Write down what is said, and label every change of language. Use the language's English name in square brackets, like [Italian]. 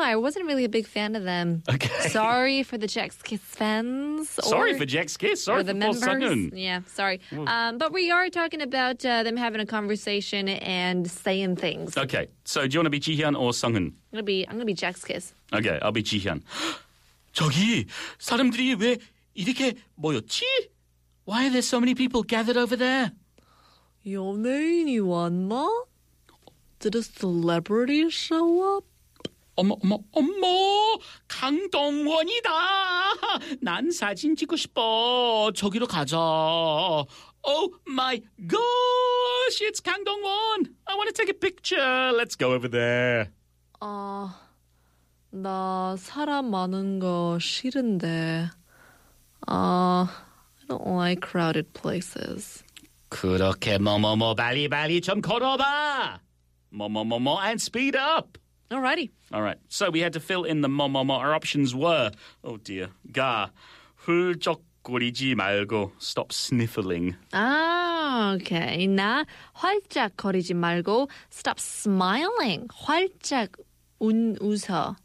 [English] I wasn't really a big fan of them. Okay. Sorry for the TOKIC fans. Sorry for TOKIC. Sorry for the members. Sunghoon. Yeah, sorry. But we are talking about them having a conversation and saying things. Okay. So do you want to be Jihyun or Sunghoon? I'm going to be TOKIC. Okay, I'll be Jihyun. [Korean] 저기 사람들이 왜 이렇게 모였지? [English] Why are there so many people gathered over there? [Korean] 연예인이 왔나? [English] Did a celebrity show up? [Korean] 어머, 어머, 어머! 강동원이다! 난 사진 찍고 싶어. 저기로 가자. [English] Oh my gosh! It's 강동원! I want to take a picture. Let's go over there. [Korean] 나 사람 많은 거 싫은데. [English] I don't like crowded places. [Korean] 그렇게 뭐뭐뭐 빨리빨리 좀 걸어봐. [English] 뭐뭐뭐뭐 and speed up. Alrighty. All right. So we had to fill in the mo-mo-mo. Our options were, oh dear, ga, [Korean] 흘쩍거리지 말고, [English] stop sniffling. Ah, okay. [Korean] 나 활짝거리지 말고, [English] stop smiling. [Korean] 활짝 웃어.